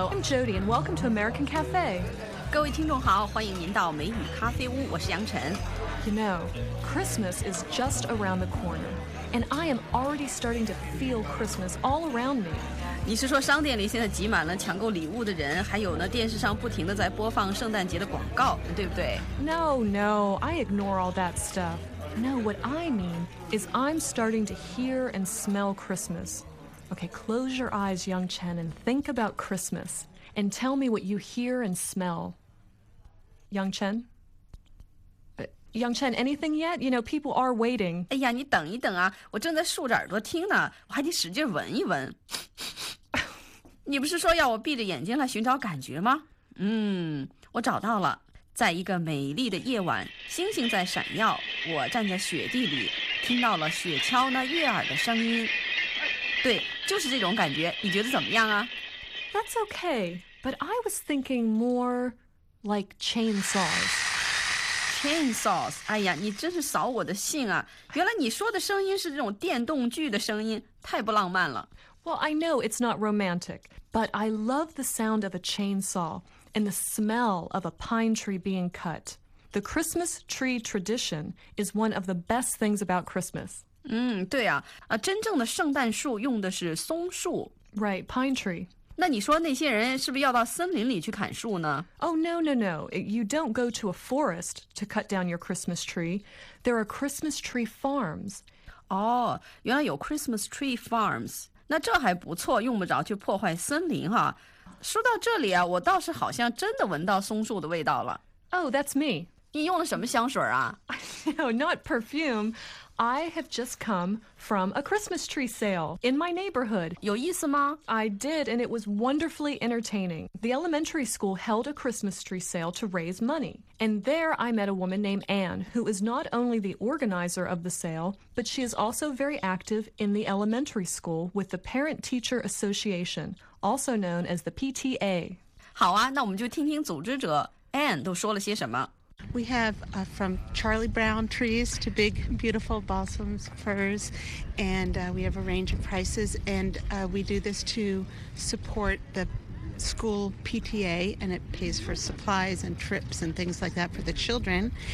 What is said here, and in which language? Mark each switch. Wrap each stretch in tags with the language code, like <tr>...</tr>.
<en>Jody, and welcome to American Cafe.</en> <zh>各位听众好，欢迎您到美语咖啡屋，我是杨晨。</zh> <en>You know, Christmas is just around the corner, and I am already starting to feel Christmas all around me.</en> <zh>你是说商店里现在挤满了抢购礼物的人，还有呢，电视上不停地在播放圣诞节的广告，对不对？</zh> <en>No, no, I ignore all that stuff. No, what I mean is I'm starting to hear and smell Christmas. Okay, close your eyes, Young Chen, and think about Christmas. And tell me what you hear and smell. Young Chen? Young Chen, anything yet? You know, people are waiting.</en> <zh>哎呀，你等一等啊，我正在竖着耳朵听呢，我还得使劲闻一闻。你不是说要我闭着眼睛来寻找感觉吗？我找到了。在一个美丽的夜晚，星星在闪耀，我站在雪地里，听到了雪橇那悦耳的声音。对，就是这种感觉，你觉得怎么样啊？</zh> <en>That's okay, but I was thinking more like chainsaws.</en> <zh>Chainsaws, 哎呀，你真是扫我的兴啊，原来你说的声音是这种电动锯的声音，太不浪漫了。</zh> <en>Well, I know it's not romantic, but I love the sound of a chainsaw. And the smell of a pine tree being cut. The Christmas tree tradition is one of the best things about Christmas.</en> <zh>对啊，真正的圣诞树用的是松树。</zh> <en>Right, pine tree.</en> <zh>那你说那些人是不是要到森林里去砍树呢？</zh> <en>Oh, no, no, no. You don't go to a forest to cut down your Christmas tree. There are Christmas tree farms.</en> <zh>原来有</zh> <en>Christmas tree farms.</en> <zh>那这还不错，用不着去破坏森林哈。说到这里啊，我倒是好像真的闻到松树的味道了。</zh> <en>Oh, that's me.</en> <zh>你用了什么香水啊？</zh> <en>No, not perfume. I have just come from a Christmas tree sale in my neighborhood.</en> <zh>有意思吗？</zh> <en>I did, and it was wonderfully entertaining. The elementary school held a Christmas tree sale to raise money. And there I met a woman named Anne, who is not only the organizer of the sale, but she is also very active in the elementary school with the Parent Teacher Association,also known as the PTA.</en> <zh>好啊，那我们就听听组织者 Anne 都说了些什么。</zh> <en>We have from Charlie Brown trees to big, beautiful balsams, firs, and we have a range of prices. And we do this to support the school PTA, and it pays for supplies and trips and things like that for the children.</en>